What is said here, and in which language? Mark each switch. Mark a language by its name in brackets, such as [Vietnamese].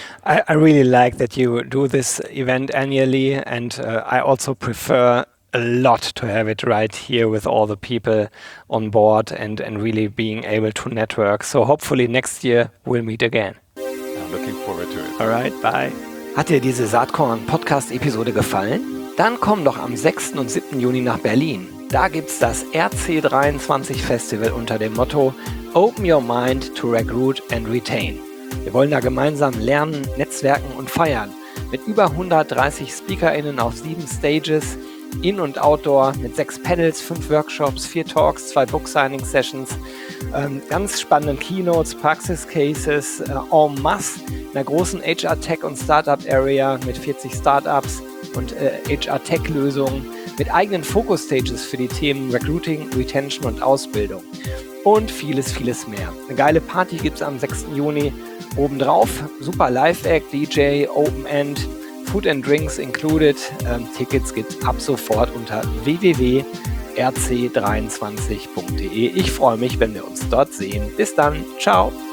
[English] I really like that you do this event annually, and I also prefer a lot to have it right here with all the people on board and really being able to network. So hopefully next year we'll meet again. I'm looking forward to it. All right, bye. [German] Hat dir diese Saatkorn-Podcast-Episode gefallen? Dann komm doch am 6. und 7. Juni nach Berlin. Da gibt's das RC23 Festival unter dem Motto Open Your Mind to Recruit and Retain. Wir wollen da gemeinsam lernen, netzwerken und feiern. Mit über 130 SpeakerInnen auf 7 Stages, In- und Outdoor, mit 6 Panels, 5 Workshops, 4 Talks, 2 Book-Signing-Sessions, ganz spannenden Keynotes, Praxis-Cases, en masse, einer großen HR-Tech- und Startup-Area mit 40 Startups und HR-Tech-Lösungen, mit eigenen Focus-Stages für die Themen Recruiting, Retention und Ausbildung. Und vieles, vieles mehr. Eine geile Party gibt es am 6. Juni. Obendrauf super Live-Act, DJ, Open-End, Food and Drinks included. Tickets gibt es ab sofort unter www.rc23.de. Ich freue mich, wenn wir uns dort sehen. Bis dann. Ciao.